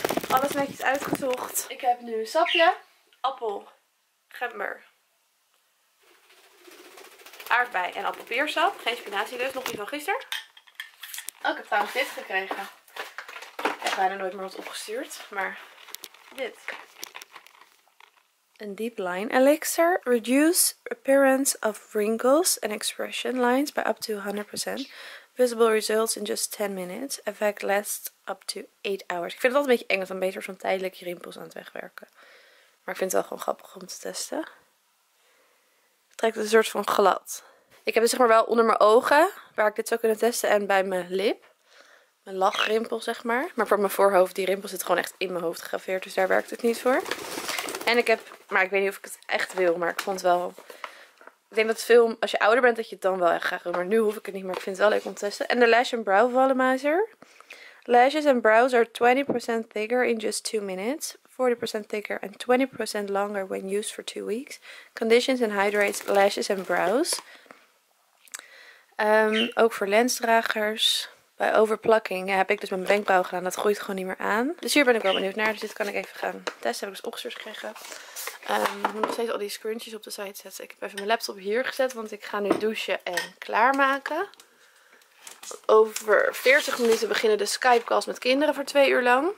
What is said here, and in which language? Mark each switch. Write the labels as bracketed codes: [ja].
[nl] Alles netjes uitgezocht. Ik heb nu een sapje, appel, gember, aardbei en appelpeersap. Geen spinazie dus, nog niet van gisteren. Oh, ik heb trouwens dit gekregen. Ik heb bijna nooit meer wat opgestuurd, maar dit. Een deep line elixir. [en] Reduce appearance of wrinkles and expression lines by up to 100%. Visible results in just 10 minutes. Effect lasts up to 8 hours. [nl] Ik vind het altijd een beetje eng, want dan beter zo'n tijdelijk je rimpels aan het wegwerken. Maar ik vind het wel gewoon grappig om te testen. Het trekt een soort van glad. Ik heb het zeg maar wel onder mijn ogen, waar ik dit zou kunnen testen, en bij mijn lip. Mijn lachrimpel zeg maar. Maar voor mijn voorhoofd, die rimpel zit gewoon echt in mijn hoofd gegraveerd, dus daar werkt het niet voor. En ik heb, maar ik weet niet of ik het echt wil, maar ik vond het wel. Ik denk dat veel, als je ouder bent, dat je het dan wel echt graag wil. Maar nu hoef ik het niet, maar ik vind het wel leuk om te testen. En de Lash and Brow Volumizer. [en] Lashes and brows are 20% thicker in just 2 minutes. 40% thicker and 20% longer when used for 2 weeks. Conditions and hydrates lashes and brows. [nl] Ook voor lensdragers. Bij overplakking heb ik dus mijn wenkbrauw gedaan. Dat groeit gewoon niet meer aan. Dus hier ben ik wel benieuwd naar. Dus dit kan ik even gaan testen. Heb ik dus opgestuurd gekregen. Ik moet nog steeds al die scrunchies op de site zetten. Ik heb even mijn laptop hier gezet. Want ik ga nu douchen en klaarmaken. Over 40 minuten beginnen de Skype calls met kinderen voor 2 uur lang.